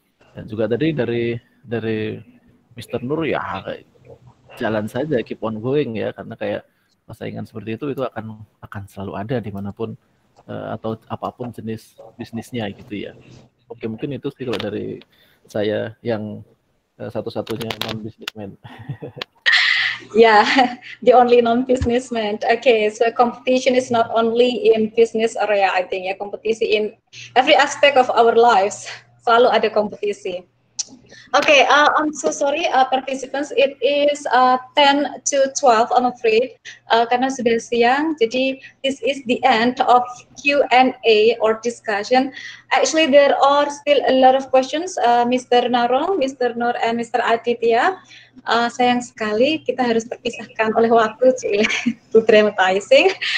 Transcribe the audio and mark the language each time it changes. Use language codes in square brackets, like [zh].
[id] Dan juga tadi dari Mr. Nur ya, jalan saja, [en] keep on going [id] ya, karena kayak persaingan seperti itu akan selalu ada dimanapun atau apapun jenis bisnisnya gitu ya. Oke, mungkin itu sih kalau dari saya yang satu-satunya non-businessman. Ya, [en] yeah, the only non-businessman. Okay, so competition is not only in business area, I think. Yeah, competition in every aspect of our lives. [id] Selalu ada kompetisi. Oke, [en] okay, I'm so sorry participants, it is 10 to 12, I'm afraid, [id] karena sudah siang, jadi [en] this is the end of Q&A or discussion. Actually, there are still a lot of questions, Mr. Narong, Mr. Nur, and Mr. Aditya. [id] Sayang sekali, kita harus terpisahkan oleh waktu, [en] to dramatizing.